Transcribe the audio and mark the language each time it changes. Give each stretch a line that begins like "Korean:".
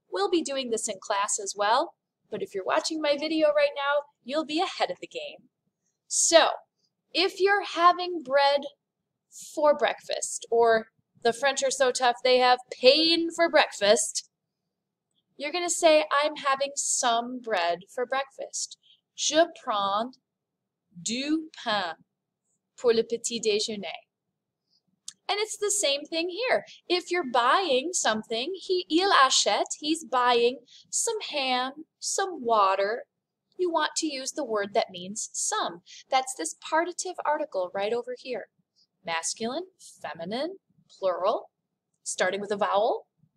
English: We'll be doing this in class as well, but if you're watching my video right now, you'll be ahead of the game. So, if you're having bread for breakfast, or the French are so tough they have pain for breakfast, you're going to say, I'm having some bread for breakfast.
French: Je prends du pain pour le petit déjeuner.
English: And it's the same thing here. If you're buying something, il achète, he's buying some ham, some water, you want to use the word that means some. That's this partitive article right over here. Masculine, feminine, plural, starting with a vowel.